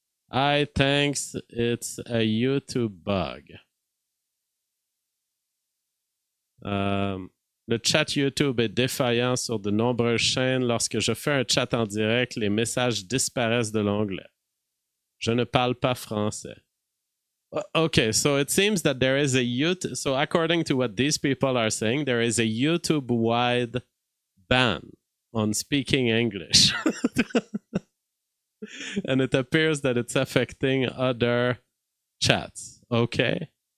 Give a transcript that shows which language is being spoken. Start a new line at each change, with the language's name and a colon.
English: I think it's a YouTube bug.
French: Le chat YouTube est défaillant sur de nombreuses chaînes. Lorsque je fais un chat en direct, les messages disparaissent de l'onglet. Je ne parle pas français.
English: Okay, so it seems that there is a YouTube... So according to what these people are saying, there is a YouTube-wide ban on speaking English. And it appears that it's affecting other chats. Okay.